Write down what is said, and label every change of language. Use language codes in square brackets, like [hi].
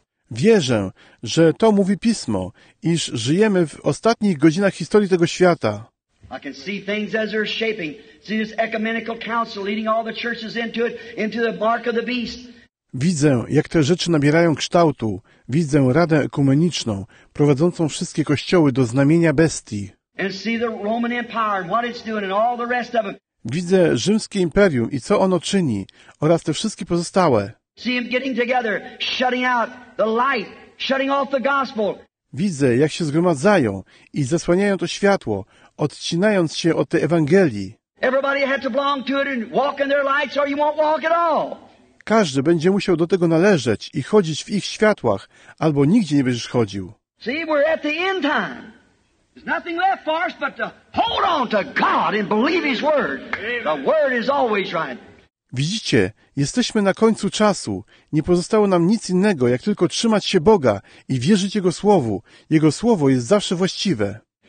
[pl] Wierzę, że to mówi Pismo, iż żyjemy w ostatnich godzinach historii tego świata. [en] I can see things as they're shaping. See this ecumenical council leading all the churches into it, into the mark of the beast. [pl] Widzę, jak te rzeczy nabierają kształtu. Widzę Radę Ekumeniczną, prowadzącą wszystkie kościoły do znamienia bestii. [en] And see the Roman Empire and what it's doing and all the rest of them. [pl] Widzę rzymskie imperium i co ono czyni oraz te wszystkie pozostałe. [en] See them getting together, shutting out the light, shutting off the gospel. [pl] Widzę, jak się zgromadzają i zasłaniają to światło, odcinając się od tej Ewangelii. [en] Everybody had to belong to it and walk in their lights or you won't walk at all. [pl] Każdy będzie musiał do tego należeć i chodzić w ich światłach, albo nigdzie nie będziesz chodził. [en] See, we're at the end time. There's nothing left for us but to hold on to God and believe His word. The word is always right. [pl] Widzicie, jesteśmy na końcu czasu. Nie pozostało nam nic innego, jak tylko trzymać się Boga i wierzyć Jego Słowu. Jego Słowo jest zawsze właściwe.